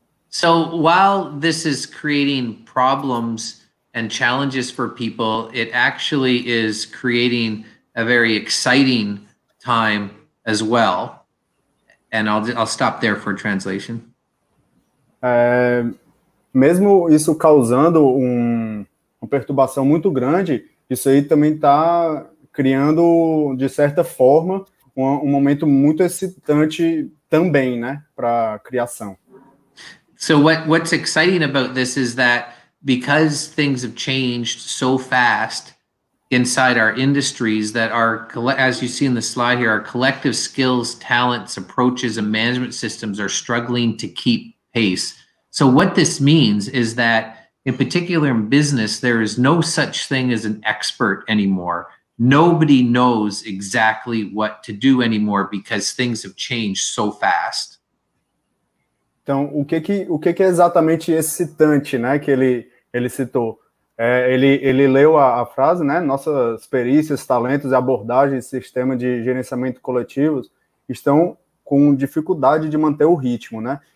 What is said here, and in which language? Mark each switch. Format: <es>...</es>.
<en>So while this is creating problems and challenges for people, it actually is creating a very exciting time as well. And I'll stop there for translation.</en> <pt>Mesmo isso causando uma perturbação muito grande, isso aí também está criando, de certa forma, um momento muito excitante também, né, para criação.</pt> <en>So what's exciting about this is that because things have changed so fast inside our industries that our, as you see in the slide here, our collective skills, talents, approaches, and management systems are struggling to keep pace. So what this means is that in particular in business, there is no such thing as an expert anymore. Nobody knows exactly what to do anymore because things have changed so fast.</en> <pt>Então, o que que é exatamente excitante, né, que ele citou? Ele leu a frase, né, nossas perícias, talentos, abordagens, sistema de gerenciamento coletivos estão com dificuldade de manter o ritmo, né?</pt>